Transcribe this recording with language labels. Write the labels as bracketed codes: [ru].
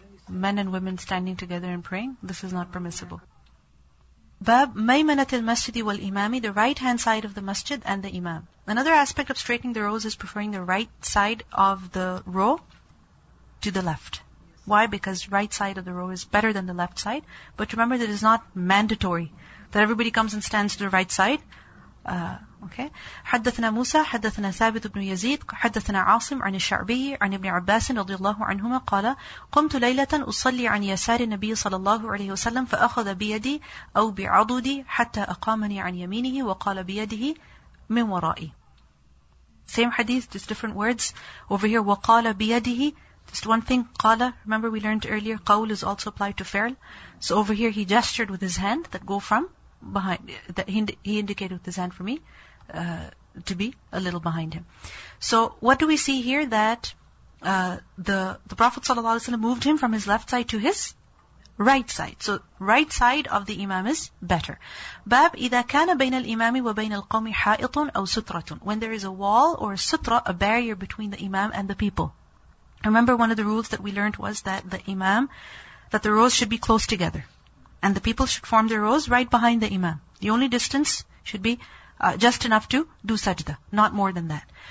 [en] Men and women standing together and praying, this is not permissible. [ar] Bab maymanat al-masjid wal-imami, [en] the right-hand side of the masjid and the imam. Another aspect of straightening the rows is preferring the right side of the row to the left. Why? Because right side of the row is better than the left side. But remember that it is not mandatory that everybody comes and stands to the right side. Okay. [ar] حدثنا موسى حدثنا ثابت بن يزيد حدثنا عاصم عن الشعبي عن ابن عباس رضي الله عنهما قال قمت ليلة أصلي عن يسار النبي صلى الله عليه وسلم فأخذ بيدي أو بعضدي حتى أقامني عن يمينه وقال بيده من ورائي. [en] Same hadith, just different words. Over here, [ar] وقال بيده, [en] just one thing, قال. Remember we learned earlier, قول is also applied to فعل. So over here he gestured with his hand that go from behind, that he indicated with his hand for me to be a little behind him. So what do we see here? That the Prophet ﷺ moved him from his left side to his right side. So right side of the imam is better. [ar] باب إذا كان بين الإمام وبين القوم حائط أو سترة. [en] When there is a wall or a sutra, a barrier between the imam and the people. Remember one of the rules that we learned was that the imam, that the rows should be close together. And the people should form their rows right behind the imam. The only distance should be just enough to do sajda, not more than that.